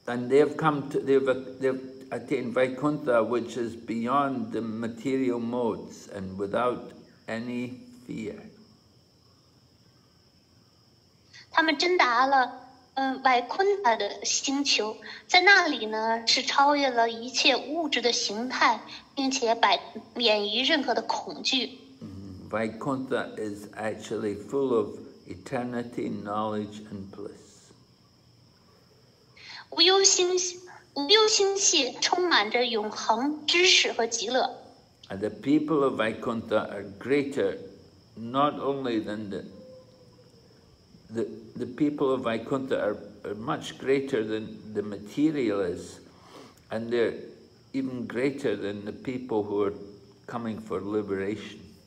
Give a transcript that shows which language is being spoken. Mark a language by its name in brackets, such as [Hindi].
[English] they've attained Vaikuntha, which is beyond the material modes and without any fear. [Chinese] 他们真达了维昆特的星球，在那里呢是超越了一切物质的形态。 [English] Vaikuntha is actually full of eternity, knowledge, and bliss. [Chinese] 无忧星系充满着永恒知识和极乐。 [English] And the people of Vaikuntha are greater not only than the the people of Vaikuntha are much greater than the material is, and they're even greater than the people who are coming for liberation.